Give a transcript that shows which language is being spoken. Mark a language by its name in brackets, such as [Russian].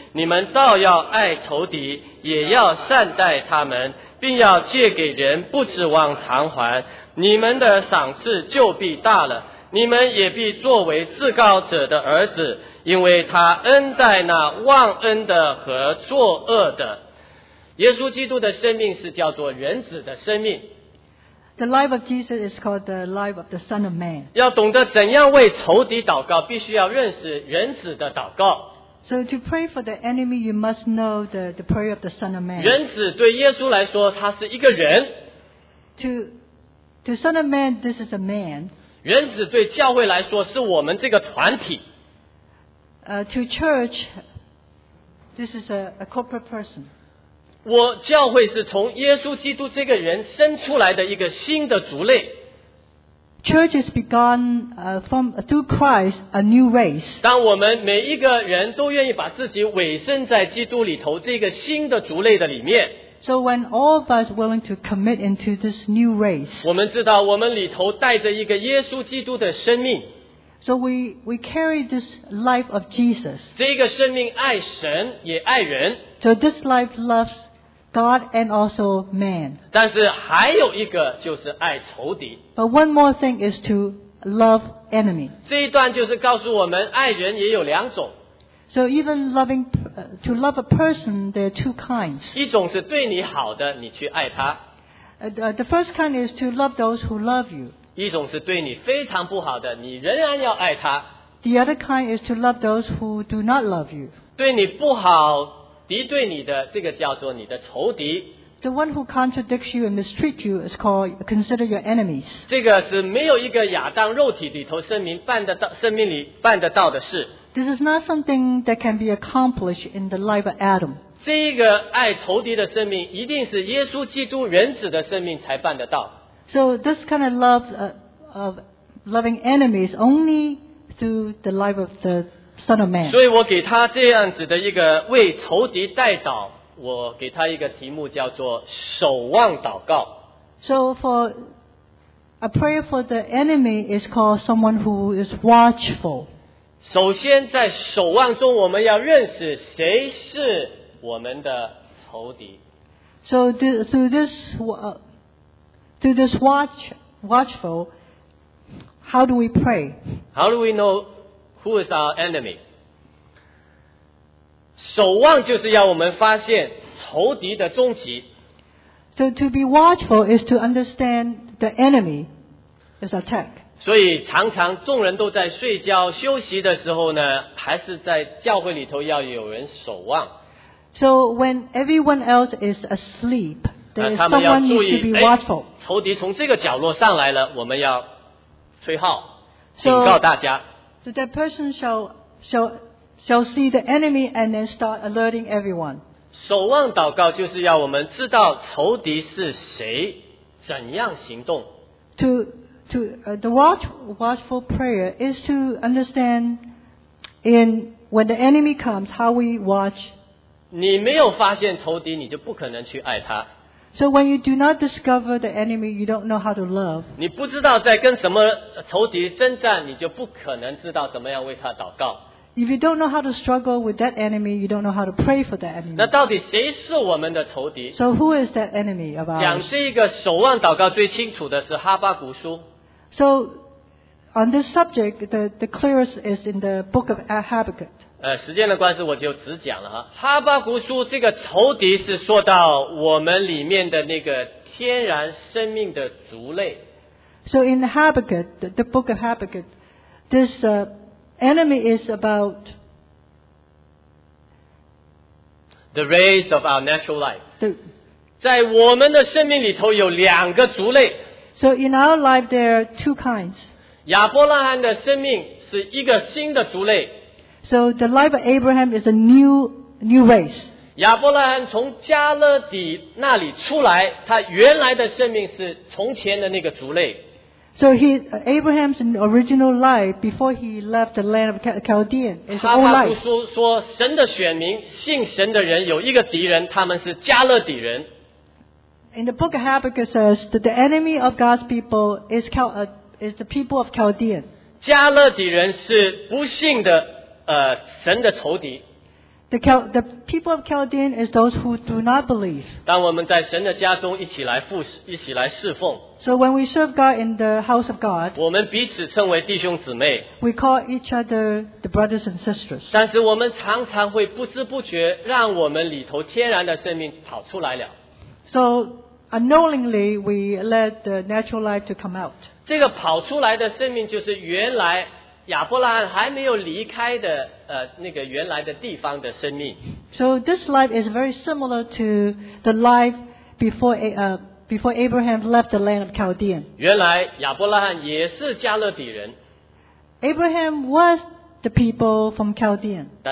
[Chinese] 你们倒要爱仇敌，也要善待他们，并要借给人，不指望偿还，你们的赏赐就必大了，你们也必作为至高者的儿子，因为他恩待那忘恩的和作恶的。耶稣基督的生命是叫做人子的生命。 [English] The life of Jesus is called the life of the Son of Man. [Chinese] 要懂得怎样为仇敌祷告，必须要认识人子的祷告。 [English] So to pray for the enemy, you must know the prayer of the Son of Man. [Chinese] 人子对耶稣来说，他是一个人。 [English] To Son of Man, this is a man. [Chinese] 人子对教会来说，是我们这个团体。 [English] To church, this is a corporate person. [Chinese] 我教会是从耶稣基督这个人生出来的一个新的族类。 [English] Church has begun from through Christ a new race. [Chinese] 当我们每一个人都愿意把自己委身在基督里头这个新的族类的里面。 [English] So when all of us willing to commit into this new race. [Chinese] 我们知道我们里头带着一个耶稣基督的生命。 [English] So we carry this life of Jesus. [Chinese] 这个生命爱神也爱人。 [English] So this life loves God and also man. [Chinese] 但是还有一个就是爱仇敌。 [English] But one more thing is to love enemy. [Chinese] 这一段就是告诉我们爱人也有两种。 [English] So even loving, to love a person, there are two kinds. [Chinese] 一种是对你好的，你去爱他。 [English] The first kind is to love those who love you. [Chinese] 一种是对你非常不好的，你仍然要爱他。 [English] The other kind is to love those who do not love you. [Chinese] 对你不好敌对你的，这个叫做你的仇敌。 [English] The one who contradicts you and mistreats you is called consider your enemies. [Chinese] 这个是没有一个亚当肉体里头生命办得到，生命里办得到的事。 [English] This is not something that can be accomplished in the life of Adam. [Chinese] 这个爱仇敌的生命，一定是耶稣基督人子的生命才办得到。 [English] So this kind of love of loving enemies only through the life of the Son of Man. [Chinese] 所以我给他这样子的一个为仇敌代祷，我给他一个题目叫做守望祷告。 [English] So for a prayer for the enemy is called someone who is watchful. [Chinese] 首先在守望中，我们要认识谁是我们的仇敌。 [English] So through this watchful, how do we pray? How do we know? Who is our enemy? [Chinese] 守望就是要我们发现仇敌的踪迹。 [English] So to be watchful is to understand the enemy is attack. [Chinese] 所以常常众人都在睡觉休息的时候呢，还是在教会里头要有人守望。 [English] So when everyone else is asleep, then someone needs to be watchful. [Chinese] 仇敌从这个角落上来了，我们要吹号警告大家。 [English] So that person shall see the enemy and then start alerting everyone. [Chinese] 守望祷告就是要我们知道仇敌是谁，怎样行动。 [English] The watchful prayer is to understand in when the enemy comes, how we watch. [Chinese] 你没有发现仇敌，你就不可能去爱他。 [English] So when you do not discover the enemy, you don't know how to love. [Chinese] 你不知道在跟什么仇敌征战，你就不可能知道怎么样为他祷告。 [English] If you don't know how to struggle with that enemy, you don't know how to pray for that enemy. [Chinese] 那到底谁是我们的仇敌？ [English] So who is that enemy of ours? [Chinese] 讲这个守望祷告最清楚的是哈巴谷书。 [English] So on this subject, the clearest is in the book of Habakkuk. [Chinese] 时间的关系我就只讲了哈。哈巴谷书这个仇敌是说到我们里面的那个天然生命的族类。 [English] So in Habakkuk, the book of Habakkuk, this enemy is about the race of our natural life. The, [Chinese] 在我们的生命里头有两个族类。 [English] So in our life, there are two kinds. [Chinese] 亚伯拉罕的生命是一个新的族类。 [English] So the life of Abraham is a new race. [Chinese] 亚伯拉罕从加勒底那里出来，他原来的生命是从前的那个族类。 [English] So Abraham's original life before he left the land of Chaldean is old life. [Chinese] 哈巴谷书说，神的选民信神的人有一个敌人，他们是加勒底人。 [English] In the book of Habakkuk says that the enemy of God's people is Chaldean. Is the people of Chaldean. [Chinese] 加勒底人是不信的，神的仇敌。 [English] The people of Chaldean is those who do not believe. [Chinese] 当我们在神的家中一起来侍奉, [English] so when we serve God in the house of God, [Chinese] 我们彼此称为弟兄姊妹, [English] we call each other the brothers and sisters. [Chinese] 但是我们常常会不知不觉让我们里头天然的生命跑出来了。 [English] So unknowingly, we let the natural light to come out. [Chinese] 这个跑出来的生命就是原来 亚伯拉罕还没有离开的那个原来的地方的生命。 [English] So this life is very similar to the life before Abraham left the land of Chaldean. [Chinese] 原来亚伯拉罕也是加勒底人。 [English] Abraham was the people from Chaldean.